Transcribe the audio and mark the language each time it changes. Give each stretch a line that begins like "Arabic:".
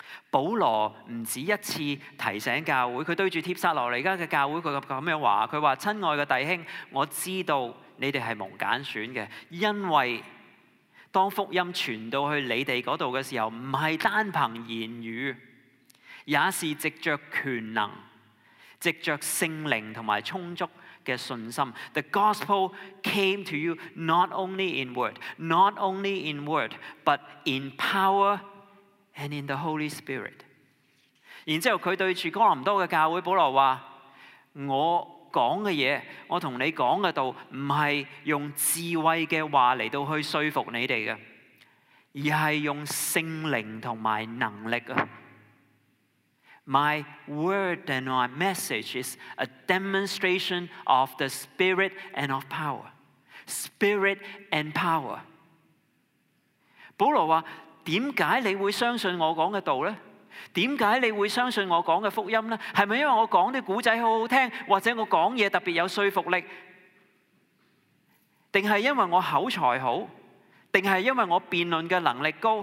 Chinese: 保罗不止一次提醒教会，他对着帖撒罗尼加的教会，他这样说，他说，亲爱的弟兄，我知道你们是蒙拣选的，因为当福音传到去你们那里的时候，不是单凭言语，也是藉着权能，藉着圣灵和充足的信心。
English: The gospel came to you not only in word, not only in word, but in power and in the Holy Spirit.
Chinese: 然后他对着哥林多的教会保罗说，我讲的东西，我跟你讲的道，不是用智慧的话来到去说服你们的，而是用圣灵和能力。
English: My word and my message is a demonstration of the Spirit and of power. Spirit and power.
Chinese: 保罗说，为什么你会相信我讲的道呢？为什么你会相信我讲的福音呢？是不是因为我讲的故事很好听，或者我讲的特别有说服力？还是因为我口才好？还是因为我辩论的能力高？